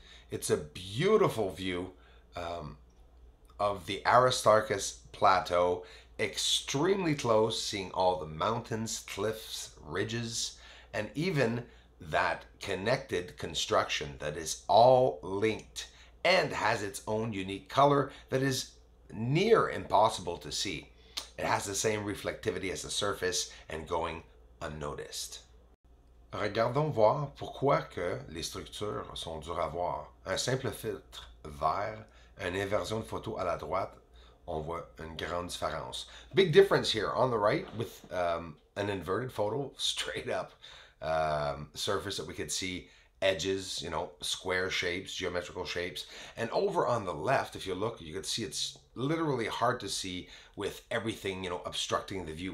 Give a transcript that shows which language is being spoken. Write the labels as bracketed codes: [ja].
[en] It's a beautiful view of the Aristarchus Plateau, extremely close, seeing all the mountains, cliffs, ridges, and even that connected construction that is all linked and has its own unique color that is near impossible to see. It has the same reflectivity as the surface and going unnoticed. [fr] Regardons voir pourquoi que les structures sont dures à voir. Un simple filtre vert, une inversion de photo à la droite, on voit une grande différence. [en] Big difference here on the right with an inverted photo straight up. Surface that we could see edges, you know, square shapes, geometrical shapes. And over on the left, if you look, you could see it's literally hard to see with everything, you know, obstructing the view.